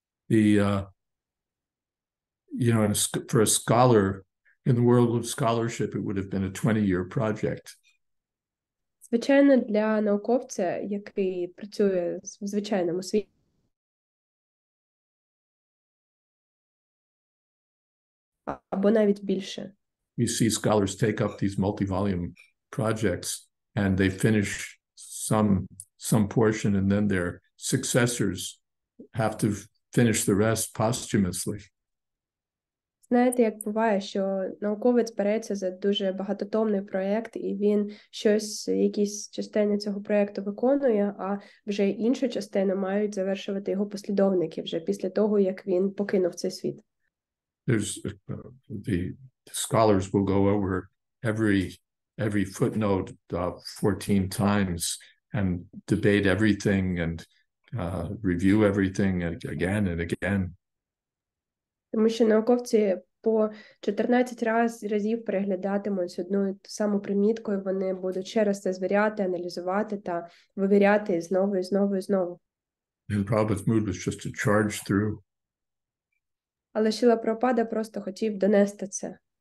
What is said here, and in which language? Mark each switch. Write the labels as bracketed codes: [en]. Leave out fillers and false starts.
[en] The you know, for a scholar in the world of scholarship, it would have been a 20-year project. [uk] Звичайно, для науковця, який працює в звичайному світі. Або навіть більше. [en] You see scholars take up these multi-volume projects and they finish some portion and then their successors have to finish the rest posthumously. [uk] Знаєте, як буває, що науковець береться за дуже багатотомний проєкт, і він щось, якісь частини цього проєкту виконує, а вже іншу частину мають завершувати його послідовники вже після того, як він покинув цей світ. [en] There's the scholars will go over every footnote 14 times and debate everything and review everything again and again. [uk] Тому що науковці по 14 разів переглядатимуть одну і ту саму примітку, і вони будуть ще раз це звіряти, аналізувати та вивіряти знову і знову і знову. [en] And Prabhupada's mood was just to charge through. [uk] Але Шіла Прабхупада просто хотів донести це.